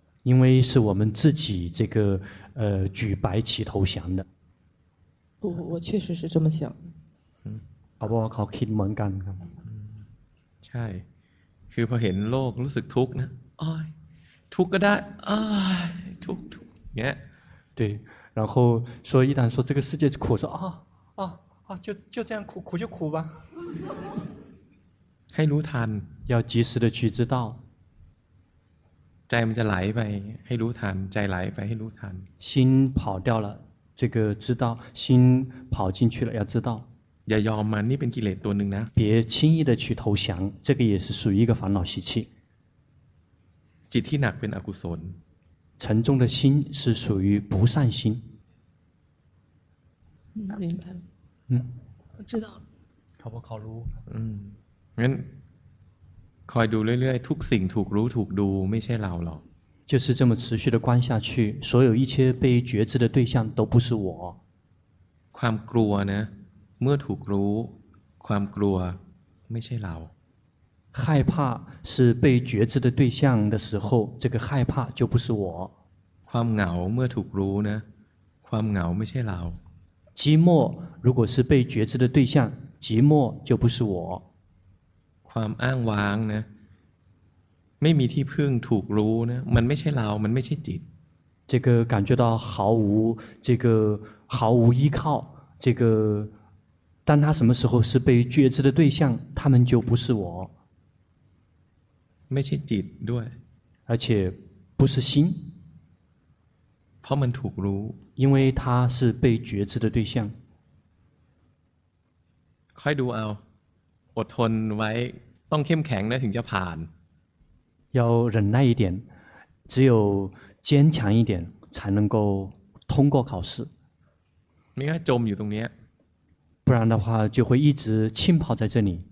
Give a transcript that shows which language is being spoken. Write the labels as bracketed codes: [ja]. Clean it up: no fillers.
[zh] 因为是我们自己这个举白旗投降的我确实是这么想好不好考 [th] คิดเหมือนกันครับ ใช่คือพอเห็นโลกรู้สึกทุกข์นะโอ้ยทุกข์ก็ได้อ้ายทุกเนี่ย [zh] 对然后说一旦说这个世界苦说啊啊啊就这样苦苦就苦吧 [th] ให้รู้ทัน [zh] 要及时的去知道 [th] ใจมันจะไหลไปให้รู้ทันใจไหลไปให้รู้ทัน [zh] 心跑掉了这个知道心跑进去了要知道 [th] อย่ายอมมันนี่เป็นกิเลสตัวนึงนะ [zh] 别轻易的去投降这个也是属于一个烦恼习气 [th] จิตที่หนักเป็นอกุศล [zh] 沉重的心是属于不善心明白了我知道了考不考รู้ [th] งั้นคอยดูเรื่อยๆทุกสิ่งถูกรู้ถูกดูไม่ใช่เราหรอก [zh] 就是这么持续的观下去所有一切被觉知的对象都不是我 [th] ความกลัวนะเมื่อถูกรู้ความกลัวไม่ใช่เรา [zh] 害怕是被觉知的对象的时候这个害怕就不是我 [th] ความเหงาเมื่อถูกรู้นะความเหงาไม่ใช่เรา [zh] 寂寞如果是被觉知的对象寂寞就不是我 [th] ความอ้างว้างนะไม่มีที่พึ่งถูกรู้นะมันไม่ใช่เรามันไม่ใช่จิต [zh] 这个感觉到毫无这个毫无依靠这个当他什么时候是被觉知的对象他们就不是我 [th] ไม่ใช่จิตด้วย [zh] 而且不是心 [th] เพราะมันถูกรู้ [zh] 因为他是被觉知的对象 [th] ค่อยดูเอาอดทนไว้ต้องเข้มแข็งนะถึงจะผ่าน [zh] 要忍耐一点只有坚强一点才能够通过考试 [th] ไม่งั้นจมอยู่ตรงนี้ [zh] 不然的话就会一直浸泡在这里